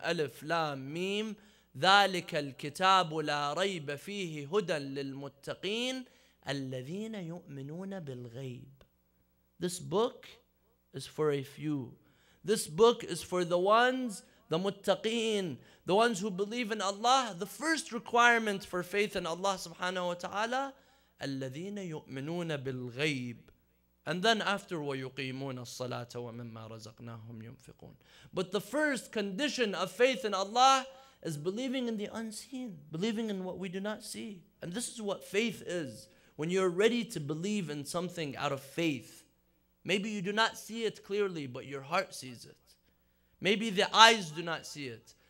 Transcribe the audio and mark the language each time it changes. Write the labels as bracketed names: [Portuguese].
[Arabic] Alif, Lam, Mim. ذَلِكَ الْكِتَابُ لَا رَيْبَ فِيهِ هُدًى لِلْمُتَّقِينَ الَّذِينَ يُؤْمِنُونَ بِالْغَيْبِ. [English] This book is for a few. This book is for the ones, the muttaqeen, the ones who believe in Allah. The first requirement for faith in Allah subhanahu wa ta'ala, [Arabic] الَّذِينَ يُؤْمِنُونَ بِالْغَيْبِ. [English] And then after, [Arabic] وَيُقِيمُونَ الصَّلَاةَ وَمِمَّا رَزَقْنَاهُمْ يُنْفِقُونَ. [English] But the first condition of faith in Allah is believing in the unseen, believing in what we do not see. And this is what faith is. When you're ready to believe in something out of faith, maybe you do not see it clearly, but your heart sees it. Maybe the eyes do not see it,